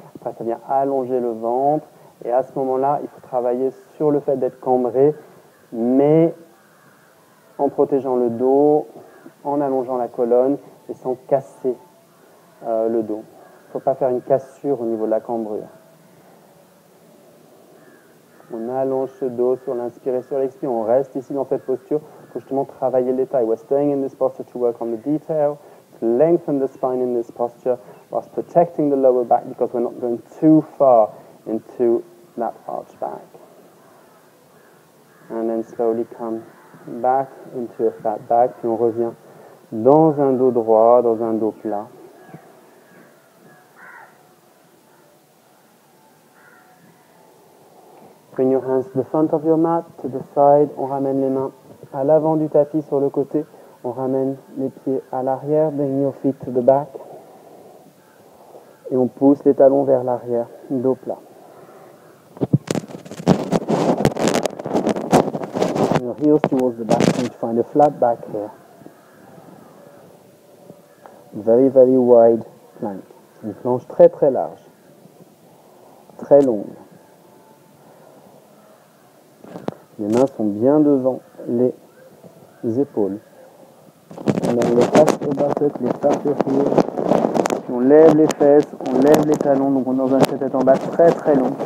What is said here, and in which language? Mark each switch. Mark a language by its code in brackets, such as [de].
[fr] Après, ça vient allonger le ventre. Et à ce moment-là, il faut travailler sur le fait d'être cambré, mais en protégeant le dos, en allongeant la colonne et sans casser le dos. Il ne faut pas faire une cassure au niveau de la cambrure. On allonge ce dos sur l'inspire et sur l'expire. On reste ici dans cette posture. Justement travailler les tailles. [en] We're staying in this posture to work on the detail, to lengthen the spine in this posture, whilst protecting the lower back because we're not going too far into that arch back. And then slowly come back into a flat back, [fr] puis on revient dans un dos droit, dans un dos plat. [en] Bring your hands to the front of your mat, to the side, [fr] on ramène les mains à l'avant du tapis sur le côté, on ramène les pieds à l'arrière, [en] bring your feet to the back, [fr] et on pousse les talons vers l'arrière, dos plat. [en] Bring your heels towards the back, and you find a flat back here. Very, very wide plank, [fr] une planche très très large, très longue. Les mains sont bien devant les épaules. On lève les fesses au bassin, les fesses au pied. On lève les fesses, on lève les talons, donc on est dans un tête-à-tête en bas très très long.